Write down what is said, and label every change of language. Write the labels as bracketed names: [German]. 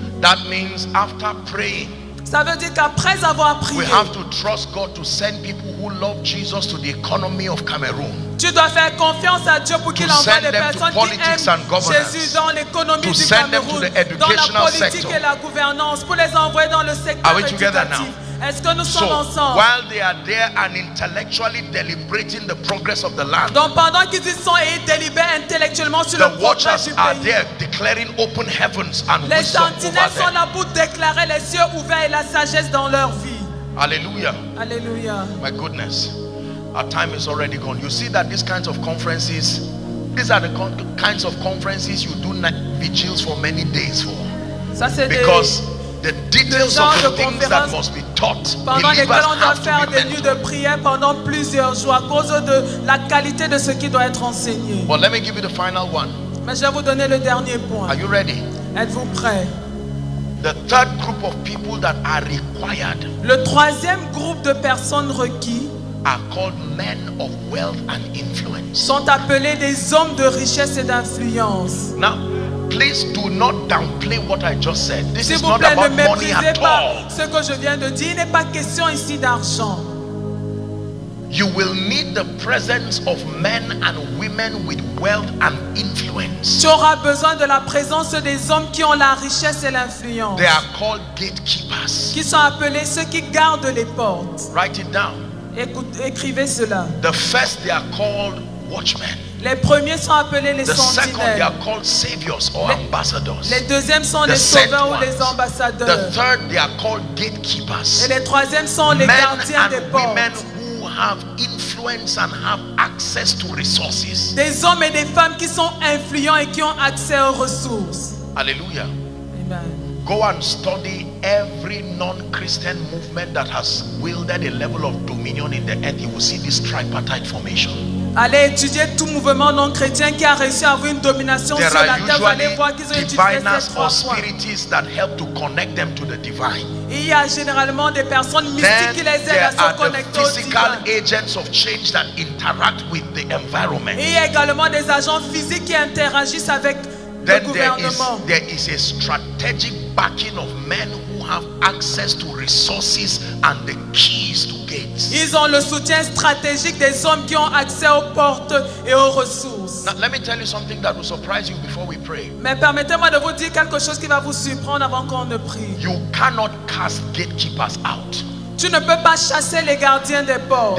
[English] That means after praying, [French] ça veut dire qu'après avoir prié, [English] we have to trust God to send people who love Jesus to the economy of Cameroon. [French] Tu dois faire confiance à Dieu pour qu'il envoie des personnes qui aiment Jésus dans l'économie du Cameroun, dans la politique et la gouvernance, pour les envoyer dans le secteur éducatif. Est-ce que nous sommes ensemble? [English] While they are there and intellectually deliberating the progress of the land. [French] Donc pendant qu'ils y sont et délibèrent intellectuellement sur le progrès du pays. [English] The watchers are there declaring open heavens and wisdom over them. [French] Les sentinelles sont là pour déclarer les cieux ouverts et la sagesse dans leur vie. Alléluia. Alléluia. [English] My goodness. Our time is already gone. You see that these kinds of conferences, these are the kinds of conferences you do vigils for many days for. [French] Ça c'est [English] because the details of the things that must be taught. [French] Pendant lesquels on doit faire des nuits de prière pendant plusieurs jours à cause de la qualité de ce qui doit être enseigné. [English] But let me give you the final one. [French] Mais je vais vous donner le dernier point. [English] Are you ready? [French] Êtes-vous prêt? [English] The third group of people that are required. [French] Le troisième groupe de personnes requis [English] are called men of wealth and influence. [French] Sont appelés des hommes de richesse et d'influence. [English] Now, please do not downplay what I just said. This [French] s'il vous plaît, [English] is not about money at all. [French] Pas ce que je viens de dire. Il n'est pas question ici d'argent. [English] You will need the presence of men and women with wealth and influence. [French] Tu auras besoin de la présence des hommes qui ont la richesse et l'influence. [English] They are called gatekeepers. [French] Qui sont appelés ceux qui gardent les portes. [English] Write it down. [French] Écrivez cela. [English] The first, they are called watchmen. [French] Les premiers sont appelés les [English] the [French] sentinelles. [English] Second, they are called saviors or ambassadors. [French] Les deuxièmes sont [English] the [French] les sauveurs ou les ambassadeurs. [English] The third, they are called gatekeepers. [French] Et les troisièmes sont les [English] men [French] gardiens des portes. [English] Men who have influence and have access to resources. [French] Des hommes et des femmes qui sont influents et qui ont accès aux ressources. Alléluia. Amen. [English] Go and study every non-Christian movement that has wielded a level of dominion in the earth. You will see this tripartite formation. [French] Allez étudier tout mouvement non chrétien qui a réussi à avoir une domination [English] there [French] sur la terre. Vous allez voir qu'ils ont utilisé ces trois [English] spirits that help to connect them to the divine. [French] Il y a généralement des personnes mystiques qui les aident à se connecter au divin. [English] There are physical agents of change that interact with the environment. [French] Il y a également des agents physiques qui interagissent avec [English] then [French] le gouvernement. [English] There is a strategic backing of men who have access to resources and the keys to. [French] Ils ont le soutien stratégique des hommes qui ont accès aux portes et aux ressources. [English] Now, let me tell you something that will surprise you before we pray. [French] Mais permettez-moi de vous dire quelque chose qui va vous surprendre avant qu'on ne prie. [English] You cannot cast gatekeepers out. [French] Tu ne peux pas chasser les gardiens des portes.